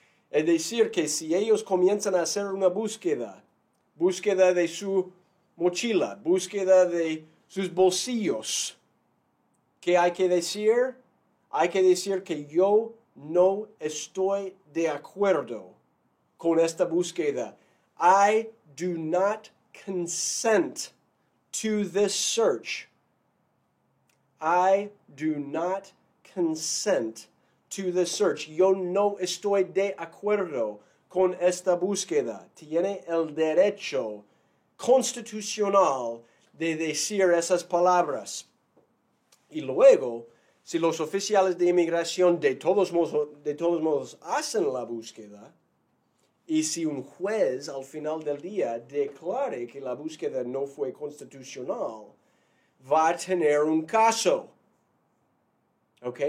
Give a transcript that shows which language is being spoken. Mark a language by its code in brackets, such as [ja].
[es] Es decir, que si ellos comienzan a hacer una búsqueda, búsqueda de su mochila, búsqueda de sus bolsillos, ¿qué hay que decir? Hay que decir que yo no estoy de acuerdo con esta búsqueda. [en] I do not consent to this search. I do not consent to this search. [es] Yo no estoy de acuerdo con esta búsqueda. Tiene el derecho constitucional de decir esas palabras. Y luego, si los oficiales de inmigración de todos modos hacen la búsqueda, y si un juez al final del día declare que la búsqueda no fue constitucional, va a tener un caso, ¿ok?